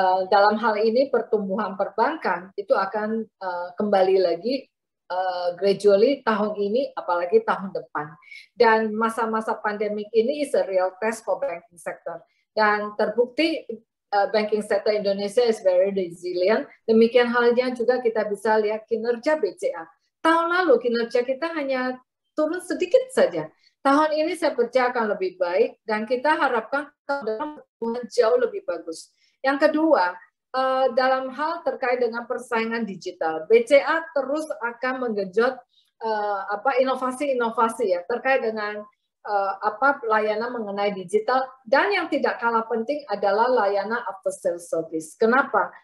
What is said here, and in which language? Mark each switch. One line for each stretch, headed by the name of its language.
Indonesian: Dalam hal ini pertumbuhan perbankan itu akan kembali lagi gradually tahun ini apalagi tahun depan. Dan masa-masa pandemik ini
English: is a real test for banking sector.
Indonesian: Dan terbukti
English: banking sector Indonesia is very resilient.
Indonesian: Demikian halnya juga kita bisa lihat kinerja BCA. Tahun lalu kinerja kita hanya turun sedikit saja. Tahun ini saya percaya akan lebih baik dan kita harapkan tahun depan jauh lebih bagus. Yang kedua, dalam hal terkait dengan persaingan digital, BCA terus akan menggenjot inovasi-inovasi ya terkait dengan layanan mengenai digital, dan yang tidak kalah penting adalah layanan after sales service. Kenapa?